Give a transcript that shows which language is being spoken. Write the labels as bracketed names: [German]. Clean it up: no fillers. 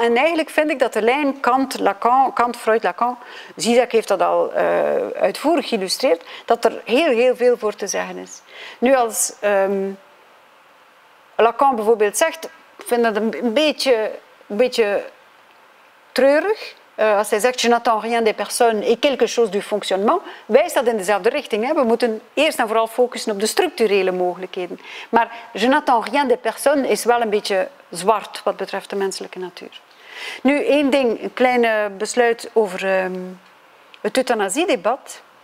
[Dutch] En eigenlijk vind ik dat de lijn Kant-Lacan, Kant-Freud-Lacan, Zizek heeft dat al uitvoerig geïllustreerd, dat er heel, heel veel voor te zeggen is. Nu, als Lacan bijvoorbeeld zegt, vind dat een beetje treurig. Als hij zegt, [French] je n'attends rien des personnes et quelque chose du fonctionnement, [Dutch] wijst dat in dezelfde richting. We moeten eerst en vooral focussen op de structurele mogelijkheden. Maar [French] je n'attends rien des personnes [Dutch] is wel een beetje zwart wat betreft de menselijke natuur. Nu, één ding, een kleine besluit over het euthanasiedebat.